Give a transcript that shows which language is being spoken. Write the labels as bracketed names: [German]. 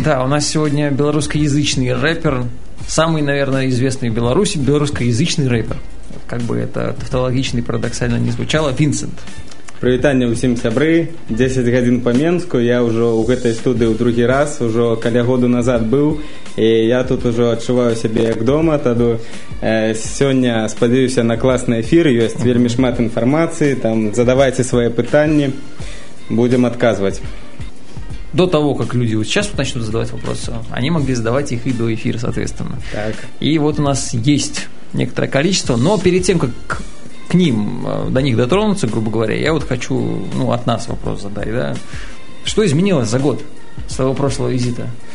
[Russian] Да, у нас сегодня белорусскоязычный рэпер. Самый, наверное, известный в Беларуси белорусскоязычный рэпер. Как бы это тавтологично и парадоксально не звучало, Винсент. [Belarusian] Привітанне ўсім, сябры. 10 гадзін па Менску. Я ўжо ў гэтай студыі ў другі раз, ўжо каля году назад быў, і я тут ўжо адчуваю сябе як дома. Тады сёння спадзяюся на класны эфір, ёсць вельмі шмат інфармацыі, там задавайце свае пытанні, будзем адказваць. [Russian] До того, как люди вот сейчас вот начнут задавать вопросы, они могли задавать их и до эфира, соответственно. Так. И вот у нас есть некоторое количество, но перед тем, как к ним, до них дотронуться, грубо говоря, я вот хочу, от нас вопрос задать, да. Что изменилось за год с того прошлого визита?